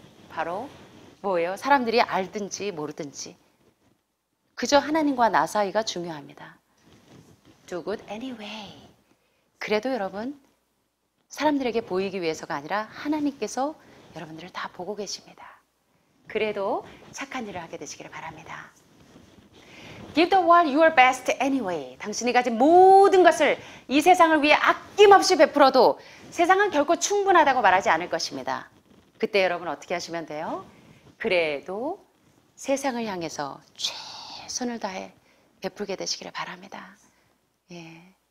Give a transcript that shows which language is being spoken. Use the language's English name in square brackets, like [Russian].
[Korean] 바로 뭐예요? 사람들이 알든지 모르든지 그저 하나님과 나 사이가 중요합니다. [English] Do good anyway. [Korean] 그래도 여러분 사람들에게 보이기 위해서가 아니라 하나님께서 여러분들을 다 보고 계십니다. 그래도 착한 일을 하게 되시기를 바랍니다. [English] Give the world your best anyway. [Korean] 당신이 가진 모든 것을 이 세상을 위해 아낌없이 베풀어도 세상은 결코 충분하다고 말하지 않을 것입니다. 그때 여러분 어떻게 하시면 돼요? 그래도 세상을 향해서 최선을 다해 베풀게 되시기를 바랍니다. 예.